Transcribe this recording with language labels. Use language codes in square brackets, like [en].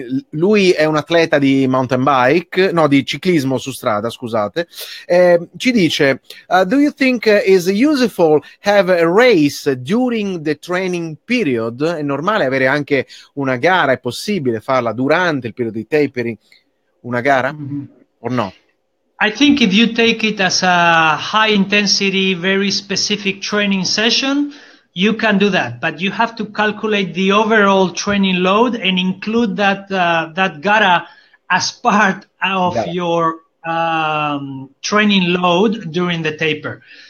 [it] Lui è un atleta di mountain bike, no, di ciclismo su strada, scusate. Ci dice: [en] do you think is useful have a race during the training period? [it] È normale avere anche una gara, è possibile farla durante il periodo di tapering, una gara, o no? [en] I think if you take it as a high intensity, very specific training session, you can do that, but you have to calculate the overall training load and include that that gara as part of your training load during the taper.